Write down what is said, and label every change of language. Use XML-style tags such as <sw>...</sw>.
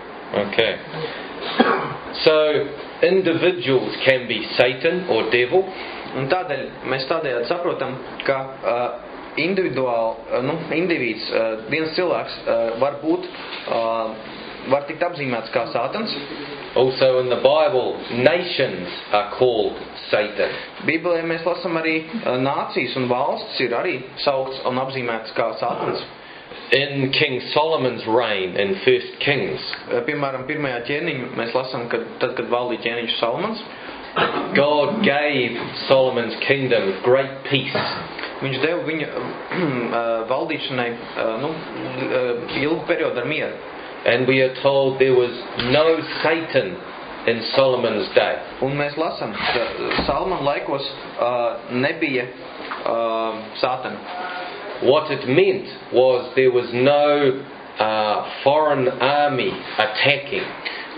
<en>Okay. So individuals can be Satan or devil.</en> <lv>Un tādēļ mēs tādējādi saprotam, ka individuāli, nu, indivīds, viens cilvēks var būt var tikt apzīmēts kā Sātans.</lv> <en>Also in the Bible nations are called Satan.</en> <lv>Bībelē mēs lasam arī nācijas un valsts ir arī saukts un apzīmēts kā Sātans.</lv> <en>In King Solomon's reign in 1 Kings.</en> <lv>Piemēram, pirmajā ķēniņu mēs lasam, kad tad kad valdīja ķēniņš Solomons.</lv> <en>God gave Solomon's kingdom great peace.</en> <lv>Viņš deva viņa valdīšanai, nu, ilgu periodu ar mieru.</lv> <en>And we are told there was no Satan in Solomon's day.</en> <lv>Un mēs lasam, ka Salmona laikos nebija Sātana.</lv> <en>What it meant was there was no foreign army attacking.</en>